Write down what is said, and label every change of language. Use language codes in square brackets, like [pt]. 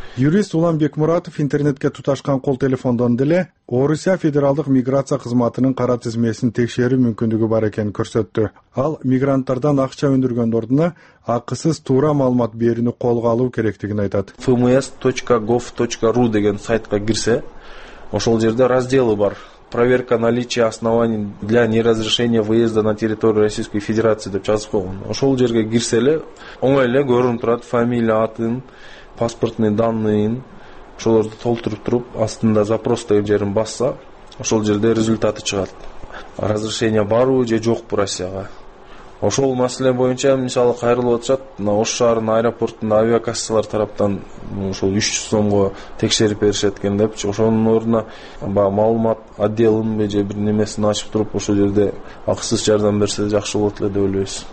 [ky] Юрист Улан Бекмуратов интернетке туташкан кол телефондон деле Орусия Федералдык миграция кызматынын кара тизмесин текшерүү мүмкүндүгү бар экенин көрсөттү. Ал мигранттардан акча өндүргөндөрдүн акысыз туура маалымат берүүнү колго алуу керектигин айтат. fms.gov.ru деген сайтка кирсе, ошол жерде разделы бар. [ru] проверка наличия оснований для неразрешения выезда на территорию Российской Федерации деп жазып койгон. [ky] Ошол жерге кирсе эле оңой эле көрүнүп турат фамилия, атын, паспортный данныйын, ошолорду толтуруп туруп, астында запрос деген жерин басса, ошол жерде результаты чыгат. Разрешение барбы же жокпу Россияга. Ошол маселе боюнча мисалы кайрылып атышат, мына Ош шаарынын аэропортунда авиакассалар тараптан ошол 300 сомго текшерип беришет экен депчи. Ошонун ордуна баягы маалымат отделинби же бир немесин ачып туруп ошол жерде акысыз жардам берсе жакшы болот эле деп ойлойбуз.